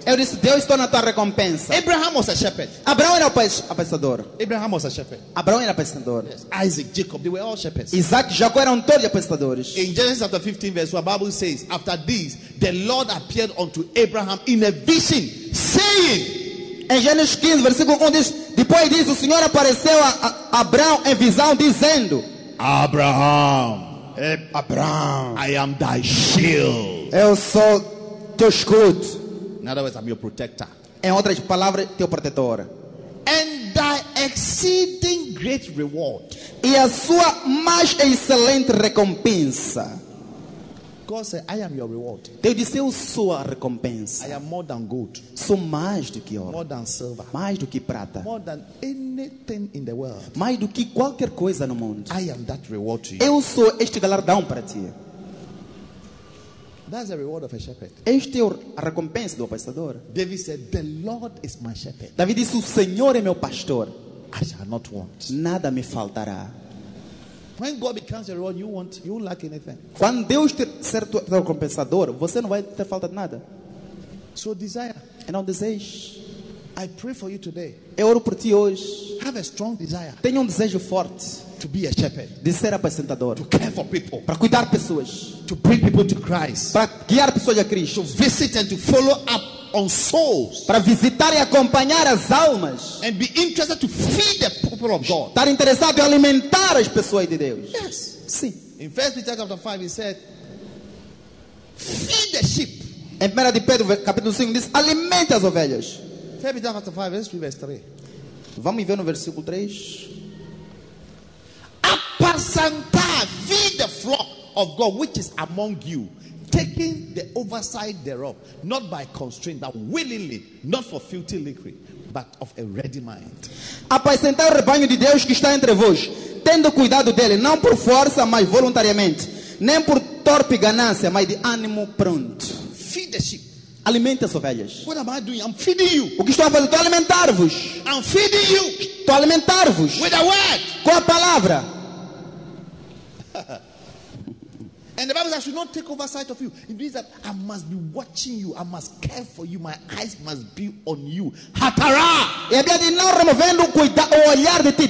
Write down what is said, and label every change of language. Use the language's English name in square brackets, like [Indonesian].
[Portuguese] Eu disse Deus se torna tua recompensa. [English] Abraham was a shepherd. [Portuguese] Abraão era apacentador. [English] Abraham was a shepherd. [Portuguese] Abraão era apacentador. [English] Yes. Isaac, Jacob, they were all shepherds. [Portuguese] Isaac, Jacó eram todos apacentadores. [English] In Genesis chapter 15 verse 1, the Bible says, after this, the Lord appeared unto Abraham in a vision, saying. [Portuguese] Em Gênesis 15, versículo 1 diz: depois disso, o Senhor apareceu a Abraão em visão, dizendo: [English] Abraão, I am thy shield. [Portuguese] Eu sou teu escudo. [English] In other words, I'm your protector. [Portuguese] Em outras palavras, teu protetor. [English] And thy exceeding great reward. [Portuguese] E a sua mais excelente recompensa. [English] God said, I am your reward. [Portuguese] Deus disse, eu sou a recompensa. [English] I am more than gold. [Portuguese] Sou mais do que ouro. [English] More than silver. [Portuguese] Mais do que prata. [English] More than anything in the world. [Portuguese] Mais do que qualquer coisa no mundo. [English] I am that reward to you. [Portuguese] Eu sou este galardão para ti. [English] That's the reward of a shepherd. [Portuguese] Este é a recompensa do pastor. [English] David said, the Lord is my shepherd. [Portuguese] David disse, o Senhor é meu pastor. [English] I shall not want. [Portuguese] Nada me faltará. [English] When God becomes your reward, you won't lack anything. [Portuguese] Quando Deus ser teu recompensador, você não vai ter falta de nada. [English] So desire. [Portuguese] And on desejo. [English] I pray for you today. [Portuguese] Eu oro por ti hoje. [English] Have a strong desire. [Portuguese] Tenha desejo forte. [English] To be a shepherd. [Portuguese] De ser apacentador. [English] To care for people. [Portuguese] Para cuidar pessoas. [English] To bring people to Christ. [Portuguese] Para guiar pessoas a Cristo. [English] To visit and to follow up on souls. [Portuguese] Para visitar e acompanhar as almas. [English] And be interested to feed the people of God. [Portuguese] Estar interessado em alimentar as pessoas de Deus. [English] Yes. [Portuguese] Sim. [English] In 1 Peter chapter 5 he said, feed the sheep. [Portuguese] Em 1 Pedro capítulo 5 diz, alimente as ovelhas. [English] 1 Peter chapter 5 verse 3. [Portuguese] Vamos ver no versículo 3. Apacentai, [English] feed the flock of God which is among you. Taking the oversight thereof, not by constraint, but willingly, not for filthy lucre, but of a ready mind. [Portuguese] Apacentai o rebanho de Deus que está entre vós, tendo cuidado dele, não por força, mas voluntariamente, nem por torpe ganância, mas de ânimo pronto. [English] Feed the sheep. [Portuguese] Alimente as ovelhas. [English] What am I doing? I'm feeding you. [Portuguese] O que estou a fazer? Estou a alimentar-vos. [English] I'm feeding you. [Portuguese] Estou a alimentar-vos. [English] With a word. [Portuguese] Com a palavra. [English] And the Bible says, I should not take oversight of you. It means that I must be watching you. I must care for you. My eyes must be on you. Hatara! [Portuguese] E a Bíblia diz, não removendo o olhar de ti.